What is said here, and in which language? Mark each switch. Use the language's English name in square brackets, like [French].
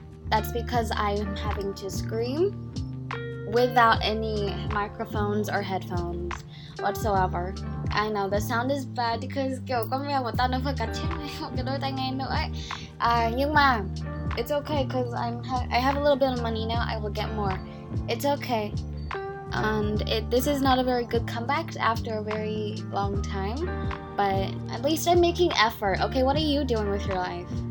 [English] That's because I am having to scream without any microphones or headphones whatsoever. I know the sound is bad because [Vietnamese] kiểu con mèo của tao nó vừa cắn chết một cái đôi tai nghe nữa ấy. Nhưng mà [English] it's okay because I have a little bit of money now. I will get more. It's okay. This is not a very good comeback after a very long time. But at least I'm making effort. Okay, what are you doing with your life?